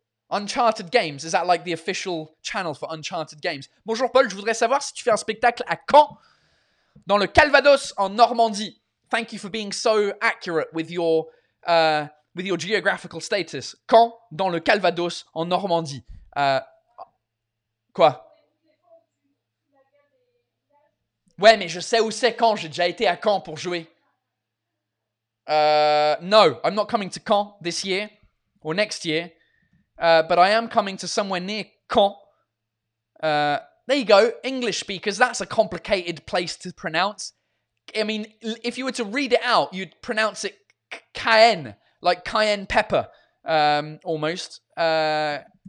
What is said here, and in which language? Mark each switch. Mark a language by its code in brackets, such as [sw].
[en] Uncharted Games, is that like the official channel for Uncharted Games? [fr] Bonjour Paul, je voudrais savoir si tu fais un spectacle à Caen, dans le Calvados, en Normandie. [en] Thank you for being so accurate with your geographical status. [fr] Caen, dans le Calvados, en Normandie. Quoi? Ouais, mais je sais où c'est Caen, j'ai déjà été à Caen pour jouer. [en] No, I'm not coming to Caen this year or next year. But I am coming to somewhere near Caen. There you go. English speakers, that's a complicated place to pronounce. I mean, if you were to read it out, you'd pronounce it Cayenne, like cayenne pepper, almost. Caen.